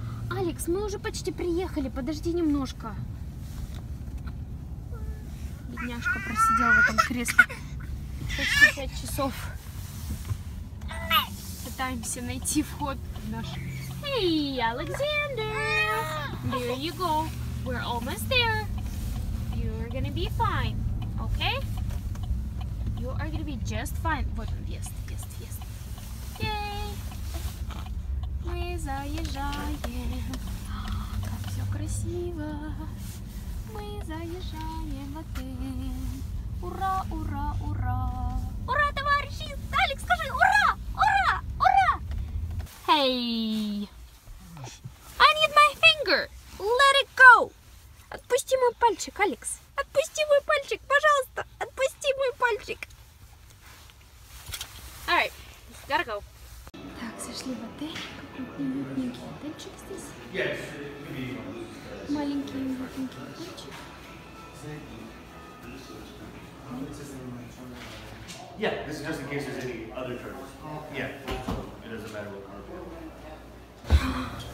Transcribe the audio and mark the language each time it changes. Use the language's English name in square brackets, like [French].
[Russian] Алекс, мы уже почти приехали, подожди немножко. Бедняжка просидела в этом кресле почти 5 часов. Пытаемся найти вход в наш... Эй, [English] hey, [Russian] Александр! [English] There you go. We're almost there. You're gonna be fine, okay? You are gonna be just fine. [Russian] Вот он, въезд, въезд, въезд. [English] Yay! [Russian] Мы заезжаем. Как все красиво. Мы заезжаем в отель. Ура, ура, ура. Ура, товарищи! Алекс, скажи, ура! Ура! Ура! [English] Hey! I need my finger! Let it go! [Russian] Отпусти мой пальчик, Алекс. Отпусти мой пальчик, пожалуйста. Отпусти мой пальчик. [English] Alright, gotta go. [Russian] Так, зашли в отель. Какой-то уютненький отельчик здесь. [English] Yes. [Russian] Маленький уютненький отельчик. [English] Yeah, this is just in case there's any other turtles. Yeah, it doesn't matter what car.